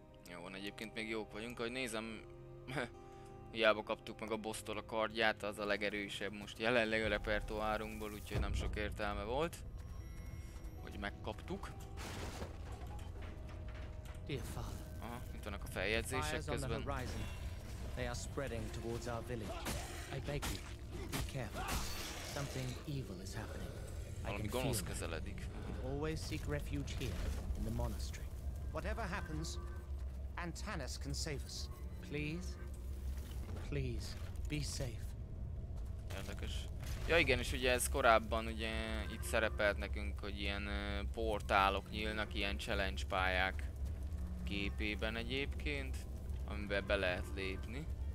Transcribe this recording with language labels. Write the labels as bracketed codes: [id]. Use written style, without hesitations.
[hu] Jó, egyébként még jók vagyunk, ahogy nézem. Hiába kaptuk meg a bosstól a kardját, az a legerősebb most jelenleg a repertoárunkból, úgyhogy nem sok értelme volt, hogy megkaptuk. Aha, itt vannak a feljegyzések közben. [en] They are spreading towards our village. I beg you, be careful. Something evil is happening. I can feel it. Always seek refuge here, in the monastery. Whatever happens, Antanas can save us. Please, please, be safe. [hu] Érdekes. Ja igen, és ugye ez korábban ugye itt szerepelt nekünk, hogy ilyen portálok nyílnak, ilyen challenge pályák képében egyébként. Amiben be lehet lépni.